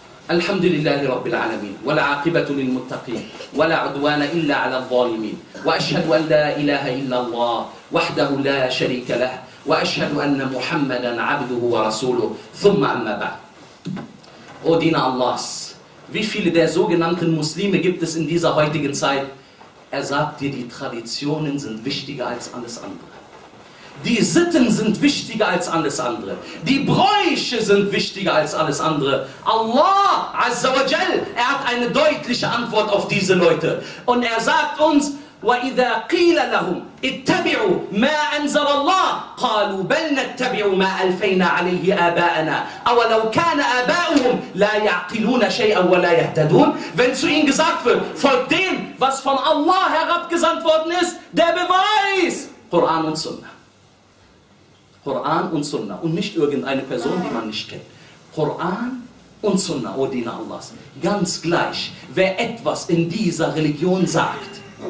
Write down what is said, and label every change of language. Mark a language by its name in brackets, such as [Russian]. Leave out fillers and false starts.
[Arabic] الحمد لله رب العالمين ولا عاقبة للمتقين ولا عدوان إلا على الظالمين وأشهد أن لا إله إلا الله وحده لا شريك له وأشهد أن محمدا عبده ورسوله ثم أما بعد أو دين الله [German] wie viele der sogenannten Muslime gibt es in dieser heutigen Zeit? Er sagt dir, die Traditionen sind wichtiger als alles andere. Die Sitten sind wichtiger als alles andere. Die Bräuche sind wichtiger als alles andere. Allah Azza wa Jal, er hat eine deutliche Antwort auf diese Leute. Und er sagt uns, [Arabic] وَإِذَا قِيلَ لَهُمْ اتَّبِعُوا مَا أَنْزَلَ اللَّهِ قَالُوا بَلْ نَتَّبِعُوا مَا أَلْفَيْنَا عَلَيْهِ آبَاءَنَا أَوَلَوْ كَانَ آبَاؤُهُمْ لَا يَعْقِلُونَ شَيْئًا وَلَا يَهْتَدُونَ. [German] Wenn zu ihnen gesagt wird, folgt dem, was was von Allah herabgesandt worden ist, der Beweis. Koran und Sunna. Koran und Sunna. Und nicht irgendeine Person, die man nicht kennt. Koran und Sunna, o Diener Allahs. Ganz gleich, wer etwas in dieser Religion sagt.